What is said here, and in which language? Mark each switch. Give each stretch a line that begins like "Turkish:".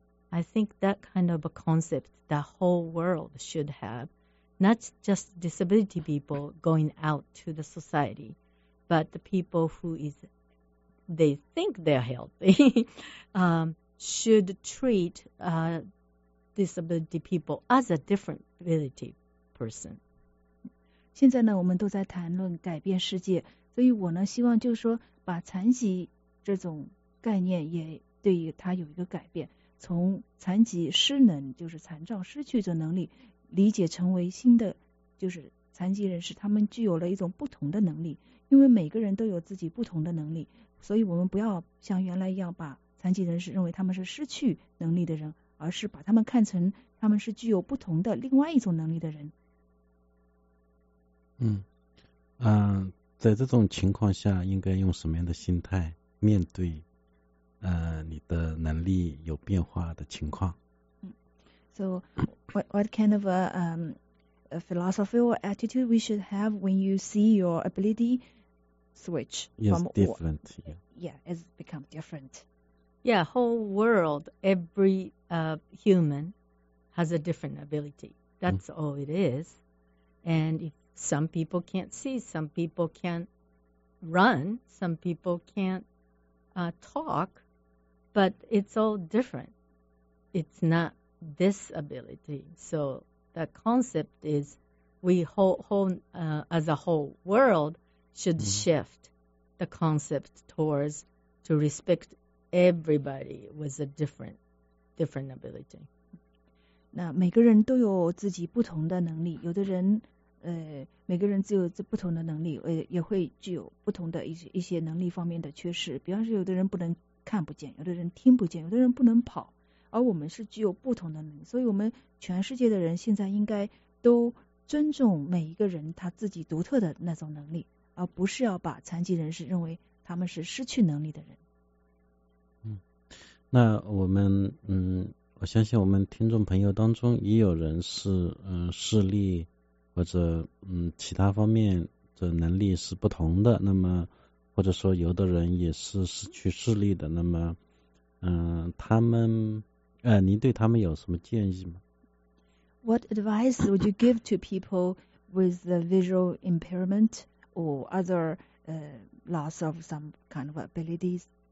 English: I think that kind of a concept the whole world should have, not just disability people going out to the society, but the people who they think they're healthy should treat disability people as a different ability person.
Chinese: 现在呢，我们都在谈论改变世界，所以我呢希望就是说把残疾这种概念也对于它有一个改变，从残疾失能，就是残障失去的能力，理解成为新的，就是残疾人士，他们具有了一种不同的能力，因为每个人都有自己不同的能力，所以我们不要像原来一样把残疾人士认为他们是失去能力的人，而是把他们看成他们是具有不同的另外一种能力的人。在这种情况下应该用什么样的心态面对你的能力有变化的情况？
English: So, what kind of a philosophy or attitude we should have when you see your ability switch from different? It's become different. Yeah, whole world, every human has a different ability. That's all it is. And if some people can't see, some people can't run, some people can't talk, but it's all different. It's not disability. So the concept is we as a whole world should shift the concept towards to respect everybody with a different ability.
Chinese: 那每个人都有自己不同的能力，有的人每个人只有这不同的能力，也会具有不同的一些能力方面的缺失，比方说有的人不能看不见，有的人听不见，有的人不能跑，而我们是具有不同的能力，所以我们全世界的人现在应该都尊重每一个人他自己独特的那种能力，而不是要把残疾人士认为他们是失去能力的人。那我们我相信我们听众朋友当中也有人是视力或者其他方面的能力是不同的，那么或者说有的人也是失去视力的，那么他们您对他们有什么建议吗？
English: What advice would you give to people with the visual impairment or other loss of some kind of abilities?